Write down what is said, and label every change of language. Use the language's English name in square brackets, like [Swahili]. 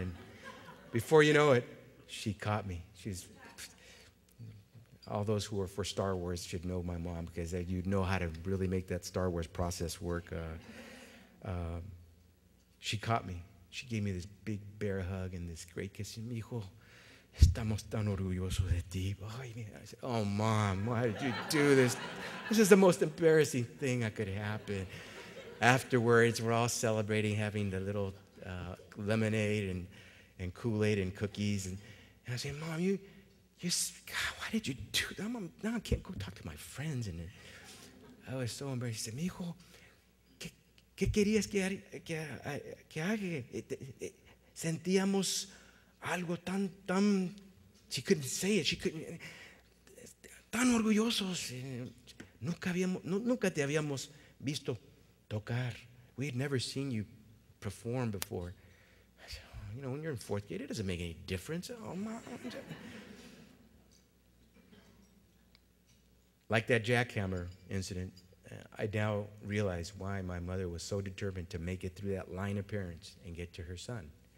[English] And before you know it, she caught me. All those who are for Star Wars should know my mom, because you'd know how to really make that Star Wars process work. She caught me. She gave me this big bear hug and this great kiss. [Spanish] "Mijo, estamos tan orgullosos de ti." [English] I said, "Oh, Mom, why did you do this? This is the most embarrassing thing that could happen." Afterwards, we're all celebrating, having the little lemonade and Kool-Aid and cookies. And I said, "Mom, God, why did you do that? Now I can't go talk to my friends." And I was so embarrassed. She said, [Spanish] "Mijo, ¿qué querías que haga? Sentíamos algo tan, tan..." [English] She couldn't say it. She couldn't. [Spanish] "Tan orgullosos. Nunca te habíamos visto tocar. [English] We had never seen you perform before." I said, "Oh, you know, when you're in fourth grade, it doesn't make any difference. Oh, Mom." Like that jackhammer incident, I now realize why my mother was so determined to make it through that line of parents and get to her son.